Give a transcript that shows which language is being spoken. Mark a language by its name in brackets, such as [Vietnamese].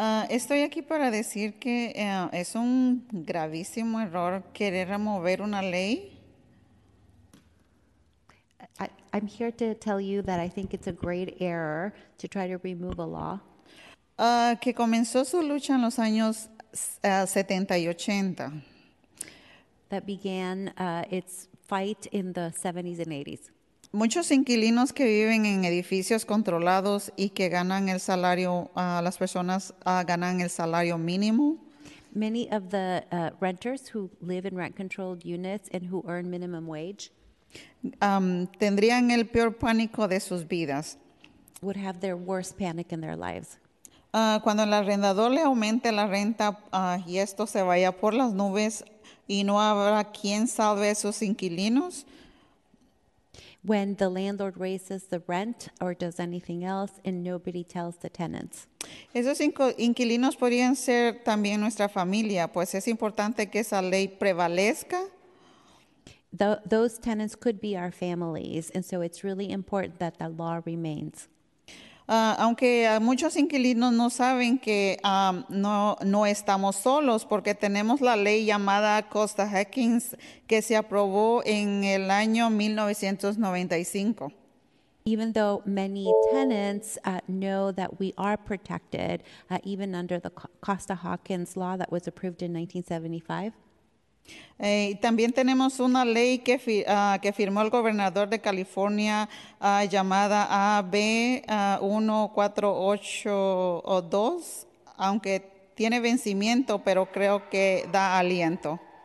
[Spanish] Estoy aquí para decir que es un gravísimo error querer remover una ley. [English] I'm here to tell you that I think it's a great error to try to remove a law. [Spanish] Que comenzó su lucha en los años 70 y 80. [English] That began its fight in the 70s and 80s. [Spanish] Muchos inquilinos que viven en edificios controlados y que ganan el salario, las personas ganan el salario mínimo. [English] Many of the renters who live in rent-controlled units and who earn minimum wage. [Spanish] Tendrían el peor pánico de sus vidas. [English] Would have their worst panic in their lives. [Spanish] Cuando el arrendador le aumente la renta y esto se vaya por las nubes y no habrá quien salve a esos inquilinos. [English] When the landlord raises the rent or does anything else and nobody tells the tenants. [Spanish] Esos inquilinos podrían ser también nuestra familia, pues es importante que esa ley prevalezca. [English] Those tenants could be our families, and so it's really important that the law remains. [Spanish] Aunque muchos inquilinos no saben que no estamos solos, porque tenemos la ley llamada Costa-Hawkins que se aprobó en el año 1995. [English] Even though many tenants know that we are protected, even under the Costa-Hawkins law that was approved in 1975, [Spanish] También tenemos una ley que firmó el gobernador de California llamada AB 1482, aunque tiene vencimiento, pero creo que da aliento.